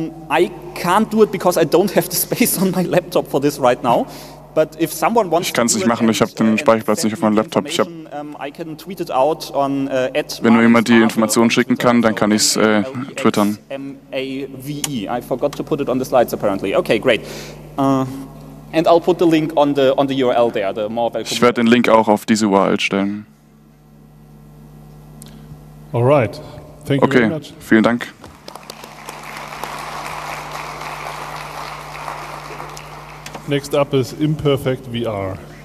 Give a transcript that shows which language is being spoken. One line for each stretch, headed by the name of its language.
English: I can't do it because I don't have the space on my laptop for this right now. But if someone wants,
German: ich kann es nicht machen, ich habe den Speicherplatz nicht auf meinem Laptop. Ich habe, wenn mir jemand die Informationen schicken kann, dann kann ich es twittern. M-A-V-E.
English: I forgot to put it on the slides apparently. Okay, great. And I'll put the link on the URL there. The more welcome.
German: Ich werde den Link auch auf diese URL stellen.
English: All right. Thank you okay. very much.
German: Okay. Vielen Dank.
English: Next up is Imperfect VR.